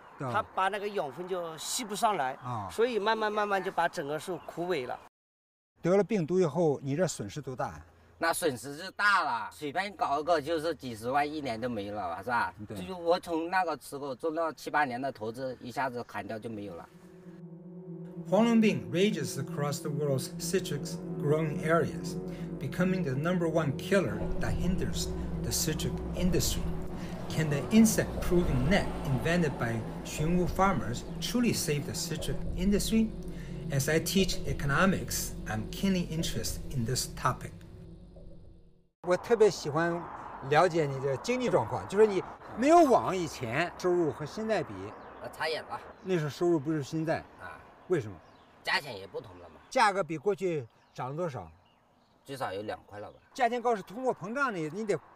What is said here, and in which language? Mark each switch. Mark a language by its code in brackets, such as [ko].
[zh] 它把那个养分就吸不上来，所以慢慢就把整个树枯萎了。得了病毒以后，你这损失多大？那损失就大了，随便搞一个就是几十万，一年都没了，是吧？对。就我从那个时候做了7-8年的投资，一下子砍掉就没有了。 [en] 黄龙病 rages across the world's citrus growing areas, becoming the number one killer that hinders the citrus industry. Can the insect-proofing net invented by Xuanwu farmers truly save the citrus industry? As I teach economics, I'm keenly interested in this topic. [zh] 我特别喜欢了解你的经济状况，就是你没有网以前收入和现在比，差远了。那时候收入不是现在啊？为什么？价钱也不同了嘛。价格比过去涨了多少？至少有2块了吧。价钱高是通货膨胀的，你得。